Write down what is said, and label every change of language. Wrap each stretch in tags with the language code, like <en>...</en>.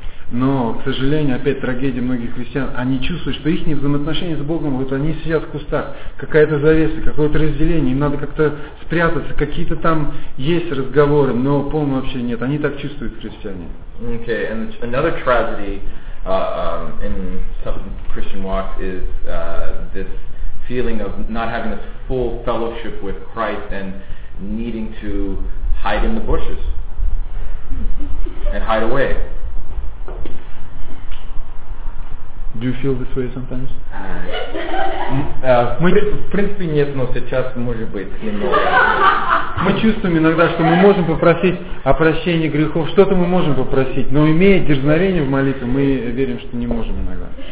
<ru>Но, к сожалению, опять трагедия многих христиан, они чувствуют, что их взаимоотношения с Богом, вот они сидят в кустах, какая-то завеса, какое-то разделение, им надо как-то спрятаться, какие-то там есть разговоры, но полного вообще нет, они так чувствуют христиане.</ru> <en>Okay, and another tragedy in some Christian walks is this feeling of not having this full fellowship with Christ and needing to hide in the bushes and hide away. Do you feel this way sometimes?</en> <ru>В принципе, нет, но сейчас может быть немного. Мы чувствуем иногда, что мы можем попросить о прощении грехов, что-то мы можем попросить, но имея дерзновение в молитве, мы верим, что не можем иногда.</ru>